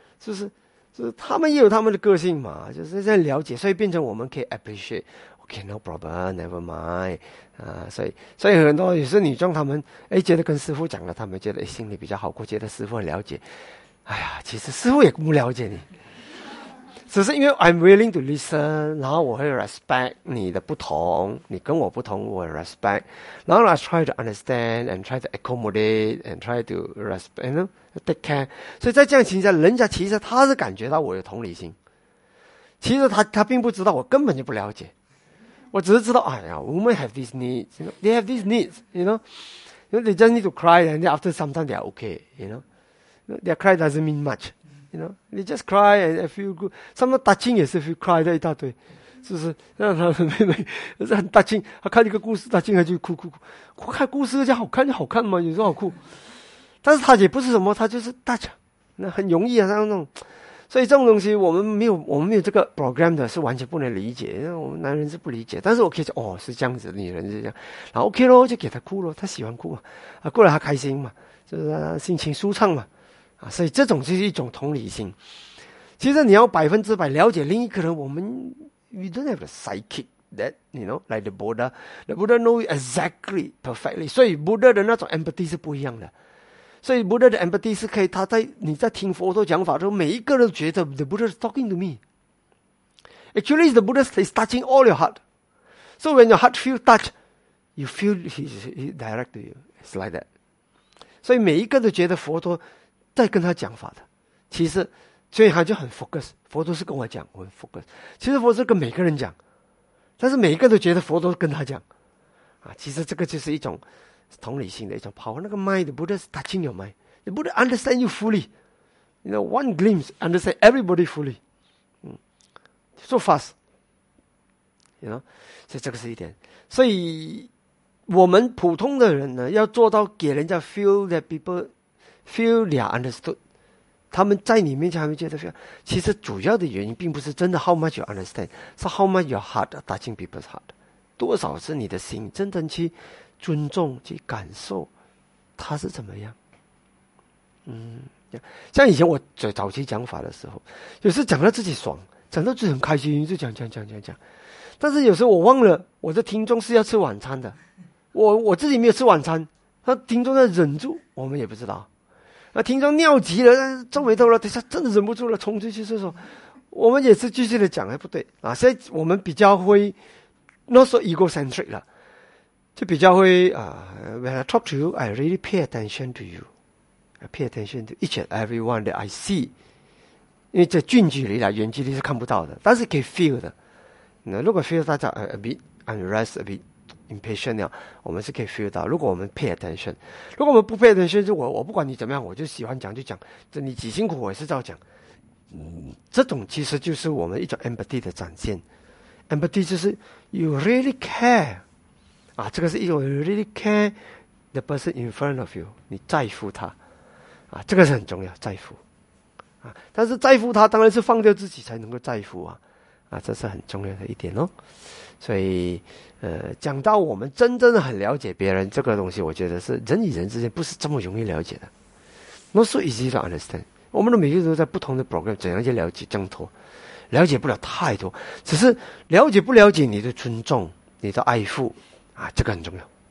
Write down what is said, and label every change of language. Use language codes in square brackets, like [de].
[zh] 就是他们也有他们的个性嘛，就是在了解。所以变成我们可以 appreciate. [en] Okay, no problem, never mind. [zh] 所以很多有时候女生他们，哎，觉得跟师父讲了，他们觉得，哎，心里比较好过，觉得师父很了解。哎呀，其实师父也不了解你。只是因为 [en] I'm willing to listen， [zh] 然后我会 respect 你的不同，你跟我不同我 respect， 然后 [en] I try to understand and try to accommodate and try to respect you know, take care。 [zh] 所以在这样情况下，人家其实他是感觉到我有同理心，其实他并不知道，我根本就不了解，我只是知道，哎呀， [en] women have these needs you know, they have these needs you know, you know, they just need to cry and then after some time they are okay you know, their cry doesn't mean muchYou know, they just cry and feel good. [zh] Some touching 也是 feel cry 的一大堆，是不是？那他的妹妹是很 touching， 他看一个故事 touching， 他就哭哭哭。我看故事就好看，就好看嘛，有什么好哭？但是他也不是什么，他就是 touch， 那很容易啊，那种。所以这种东西我们没有这个 program 的是完全不能理解，我们男人是不理解。但是我可以说，哦，是这样子，女人是这样，然后 OK 咯，就给他哭咯，他喜欢哭嘛，啊，过来他开心嘛，就是他心情舒畅嘛。啊，所以这种就是一种同理心。其实你要百分之百了解另一个人，我们 [en] we don't have a psychic that you know like the Buddha. The Buddha know you exactly perfectly. [zh] 所以 Buddha 的那种 empathy 是不一样的。所以 Buddha 的 empathy 是可以，他在你在听佛陀讲法的时候，每一个人觉得 [en] the Buddha is talking to me. Actually, the Buddha is touching all your heart. So when your heart feels touch, you feel he direct to you. It's like that. [zh] 所以每一个都觉得佛陀在跟他讲法的，其实所以他就很 focus， 佛陀是跟我讲我很 focus， 其实佛陀是跟每个人讲，但是每一个都觉得佛陀跟他讲啊，其实这个就是一种同理心的一种 power。 [en] 那个 mind 不得 touching your mind， 不得 understand you fully， you know one glimpse understand everybody fully， 嗯， so fast， you know， [zh] 所以这个是一点。所以我们普通的人呢，要做到给人家 [en] feel that people feel they are understood， [zh] 他们在你面前还没觉得 feel， 其实主要的原因并不是真的 [en] how much you understand， [zh] 是 [en] how much your heart touching people's heart， [zh] 多少是你的心真正去尊重去感受他是怎么样。嗯，像以前我最早期讲法的时候，有时讲到自己爽，讲到自己很开心，就讲，但是有时候我忘了我的听众是要吃晚餐的，我自己没有吃晚餐，那听众在忍住，我们也不知道，那听众尿急了，皱眉头了，等一下真的忍不住了，冲出去厕所，我们也是继续的讲，还不对啊。现在我们比较会 [en] not so egocentric 了，就比较会啊、，when I talk to you, I really pay attention to you, I pay attention to each and everyone that I see， [zh] 因为在近距离了，远距离是看不到的，但是可以 [en] feel 的。 [zh] 那如果 feel 大家 [en] a bit unrest a bit impatient [zh] 了，我们是可以 feel 到。如果我们 pay attention， 如果我们不 pay attention， 就我不管你怎么样，我就喜欢讲就讲，这你几辛苦我也是照讲。嗯，这种其实就是我们一种 empathy 的展现。 empathy 就是 [en] you really care [zh] 啊，这个是一种 [en] really care the person in front of you， [zh] 你在乎他啊，这个是很重要，在乎啊。但是在乎他当然是放掉自己才能够在乎啊。啊，这是很重要的一点哦。所以讲到我们真正的很了解别人这个东西，我觉得是人与人之间不是这么容易了解的。 [en] Not so easy to understand。 [zh] 我们的每个人都在不同的 program， 怎样去了解挣脱，了解不了太多，只是了解不了解你的尊重，你的爱护啊，这个很重要。